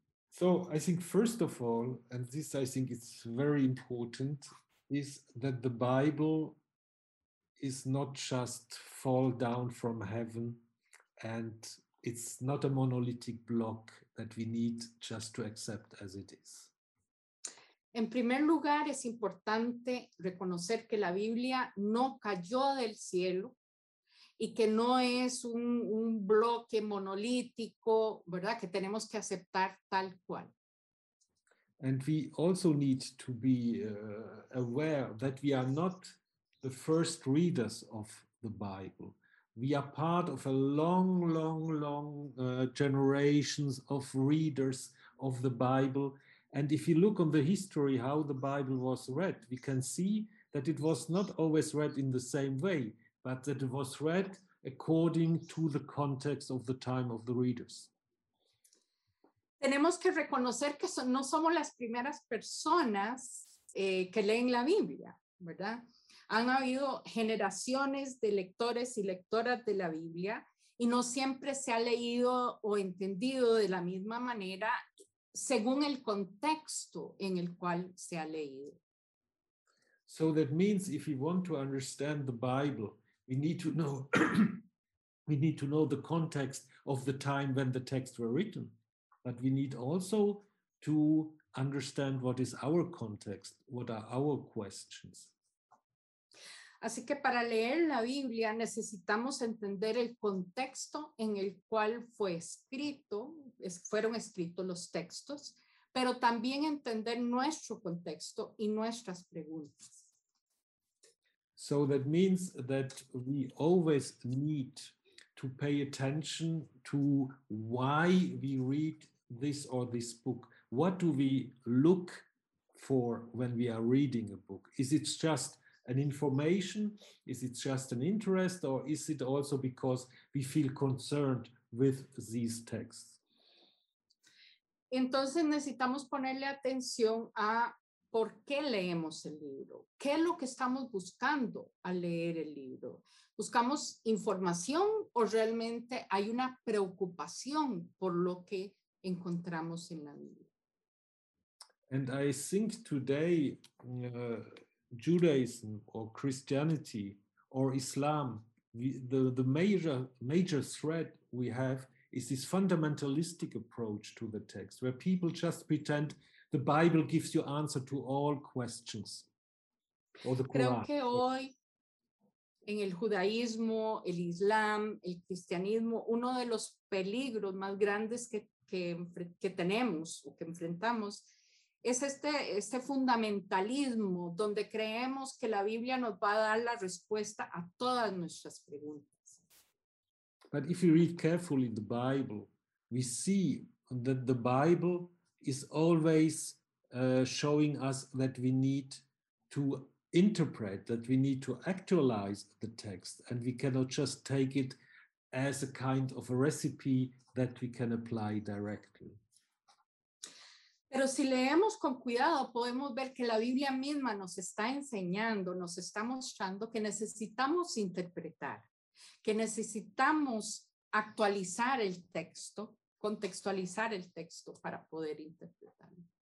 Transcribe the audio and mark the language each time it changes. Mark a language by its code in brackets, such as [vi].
[en] So I think first of all, and this I think is very important, is that the Bible is not just fall down from heaven, and it's not a monolithic block that we need just to accept as it is. [es] En primer lugar, es importante reconocer que la Biblia no cayó del cielo y que no es un bloque monolítico, ¿verdad?, que tenemos que aceptar tal cual. [en] And we also need to be aware that we are not the first readers of the Bible. We are part of a long, long, long generations of readers of the Bible. And if you look on the history, how the Bible was read, we can see that it was not always read in the same way, but that it was read according to the context of the time of the readers. [es] Tenemos que reconocer que no somos las primeras personas que leen la Biblia, ¿verdad? Han habido generaciones de lectores y lectoras de la Biblia y no siempre se ha leído o entendido de la misma manera según el contexto en el cual se ha leído. [en] So that means if we want to understand the Bible, we need to know the context of the time when the texts were written, but we need also to understand what is our context, what are our questions. [es] Así que para leer la Biblia necesitamos entender el contexto en el cual fue escrito, fueron escritos los textos, pero también entender nuestro contexto y nuestras preguntas. [en] So that means that we always need to pay attention to why we read this or this book. What do we look for when we are reading a book? Is it just an information? Is it just an interest, or is it also because we feel concerned with these texts? [es] Entonces necesitamos ponerle atención a por qué leemos el libro. ¿Qué es lo que estamos buscando al leer el libro? ¿Buscamos información o realmente hay una preocupación por lo que encontramos en la Biblia? [en] And I think today Judaism or Christianity or Islam, the major threat we have is this fundamentalistic approach to the text, where people just pretend the Bible gives you answer to all questions, or the Quran. [es] Creo que hoy en el judaísmo, el Islam, el cristianismo, uno de los peligros más grandes que tenemos o que enfrentamos es este fundamentalismo, donde creemos que la Biblia nos va a dar la respuesta a todas nuestras preguntas. [en] But if you read carefully the Bible, we see that the Bible is always showing us that we need to interpret, that we need to actualize the text, and we cannot just take it as a kind of a recipe that we can apply directly. [es] Pero si leemos con cuidado, podemos ver que la Biblia misma nos está enseñando, nos está mostrando que necesitamos interpretar, que necesitamos actualizar el texto, contextualizar el texto para poder interpretarlo.